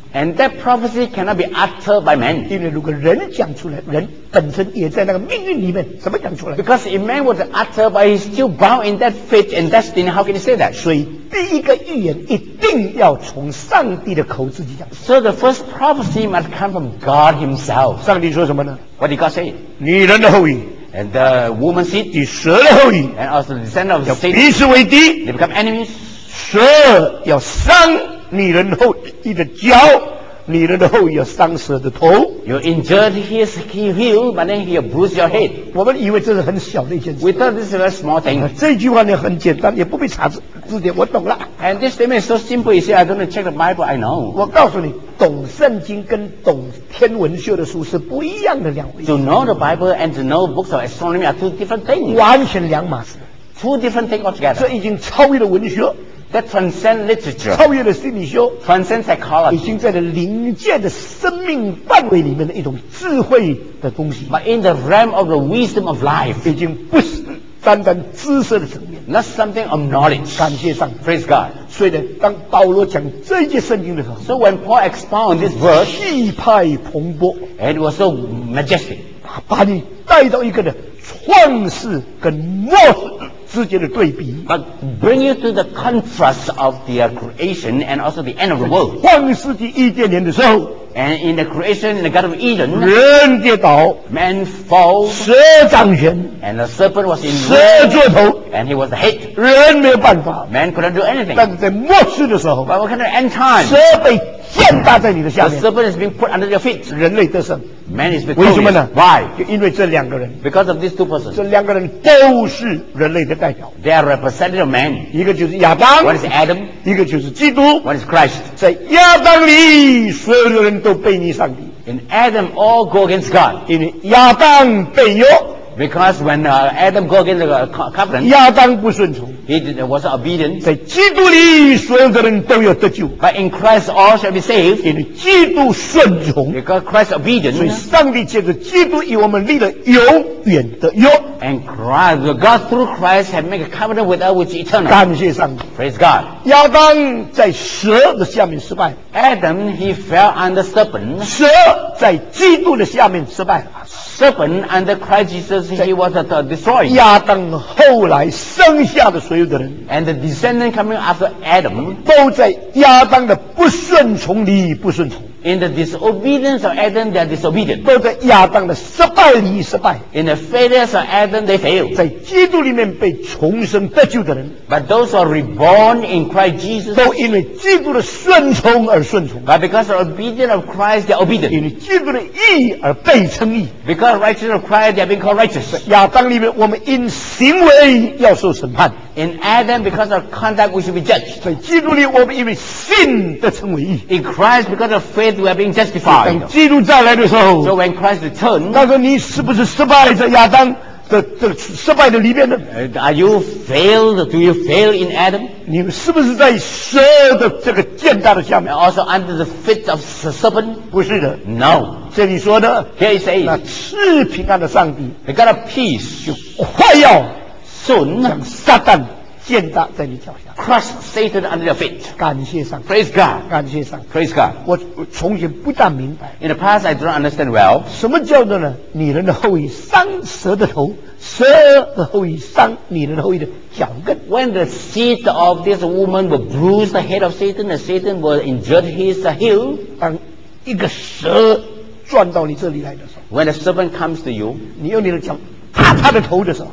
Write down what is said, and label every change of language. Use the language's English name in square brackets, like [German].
[English] And that prophecy cannot be uttered by man. [Chinese] 因为如果人讲出来，人本身也在那个命运里面，怎么讲出来 [English] ？Because if man was uttered by, he's still bound in that fate and destiny. How can you say that? [Chinese] 所以第一个预言一定要从上帝的口自己讲。 [English] So the first prophecy must come from God Himself. [Chinese] 上帝说什么呢 [English] ？What did God say? [Chinese] 女人的后裔。 [English] And the woman's seed, [Chinese] 与蛇的后裔 [English] and also the descendant of Satan, [Chinese] 彼此为敌 [English] they become enemies. [Chinese] 蛇要伤女人后裔的脚，女人的后裔要伤蛇的头。 [English] You injured his heel, but then he bruised your head. [Chinese] 我们以为这是很小的一件事。 [English] We thought this is a small thing. [Chinese] 这句话呢很简单，也不必查字典，我懂了。 [English] And this statement is so simple. You see, I don't check the Bible. I know. [Chinese] 我告诉你，懂圣经跟懂天文学的书是不一样的两回事。 [English] To know the Bible and to know books of astronomy are two different things. [Chinese] 完全两码事。 [English] Two different things altogether. [Chinese] 这已经超越了文学。 [English] That transcend literature, [Chinese] 超越了心理学 [English] transcend psychology, [Chinese] 已经在了灵界的生命范围里面的一种智慧的东西 [English] But in the realm of the wisdom of life, [Chinese] 已经不是单单知识的层面 [English] Not something of knowledge, [Chinese] 感谢上 [English] Praise God, [Chinese] 所以呢当保罗讲这一节圣经的时候 [English] So when Paul expounded this verse, [Chinese] 气派蓬勃 [English] And it was so majestic, [Chinese] 把你带到一个的创世跟末世之间的对比 [English] but bring you to the contrast of the creation and also the end of the world [Chinese] 创世纪伊甸园的时候 [English] and in the creation in the Garden of Eden [Chinese] 人跌倒 [English] man fall [Chinese] 蛇掌权 [English] and the serpent was in [Chinese] 蛇做头 [English] and he was the head [Chinese] 人没有办法 [English] man couldn't do anything [Chinese] 但是在末世的时候 [English] but what kind of end time [Chinese] 蛇被践踏在你的下面 [English] the serpent has been put under your feet [Chinese] 人类得胜 [English] man is victorious [Chinese] 为什么呢 [English] why [Chinese] 就因为这两个人 [English] because of these two persons [Chinese] 这两个人都是人类的代表 [English] they are representative of man [Chinese] 一个就是亚当 [English] one is Adam [Chinese] 一个就是基督 [English] one is Christ [Chinese] 在亚当里所有的人都背逆上帝 [English] in Adam all go against God [Chinese] 因为亚当背约 [English] Because when Adam go against the covenant, [Chinese] 亚当不顺从 [English] ，he was obedient. [Chinese] 在基督里所有的人都有得救 [English] ，but in Christ all shall be saved. [Chinese] 因为基督顺从 [English] ，because Christ obedient. [Chinese] 所以上帝借着基督与我们立了永远的约 [English] ，and Christ, God through Christ have made a covenant with us which is eternal. [Chinese] 感谢上帝 [English] ，praise God. [Chinese] 亚当在蛇的下面失败 [English] ，Adam he fell on the serpent. [Chinese] 蛇在基督的下面失败。 [English] Serpent under Christ Jesus, he was destroyed. [Chinese] 亚当后来生下的所有的人 [English] and the descendant coming after Adam, [Chinese] 都在亚当的不顺从里不顺从 [English] in the disobedience of Adam, they are disobedient. [Chinese] 都在亚当的失败里失败 [English] in the failures of Adam, they failed. [Chinese] 在基督里面被重生得救的人 [English] but those who are reborn in Christ Jesus, [Chinese] 都因为基督的顺从而顺从 [English] but because of obedience of Christ, they are obedient. [Chinese] 因为基督的义而被称义 [English] Because righteous of Christ, they have been called righteous. [Chinese] 亚当里面，我们因行为要受审判。 [English] In Adam, because of conduct, we should be judged. [Chinese] 在基督里，我们因为信得称为义。 [English] In Christ, because of faith, we are being justified. [Chinese] 等基督再来的时候 [English] ，So when Christ returns, [Chinese] 那个你是不是失败在亚当的失败的里面呢 [English] ？Are you failed? Do you fail in Adam? [Chinese] 你是不是在蛇的这个践踏的下面 [English] ？Also under the feet of the serpent? [Chinese] 不是的 [English] ，No. [Chinese] 这里说的 [English] ，Here he says, [Chinese] 那赐平安的上帝 [English] ，He got a peace， [Chinese] 就快要 [English] soon [Chinese] 将撒旦践踏在你脚下 [English] ，crush Satan under your feet。 [Chinese] 感谢上帝 [English] ，Praise God， [Chinese] 感谢上帝 [English] ，Praise God。 [Chinese] 我从前不大明白 [English] ，In the past I don't understand well。 [Chinese] 什么叫做呢？女人的后裔伤蛇的头，蛇的后裔伤女人的后裔的脚跟。 [English] When the seed of this woman will bruise the head of Satan, and Satan will injure his heel。 [Chinese] 当一个蛇转到你这里来的时候 [English] ，When a servant comes to you， [Chinese] 你用你的脚踏他的头的时候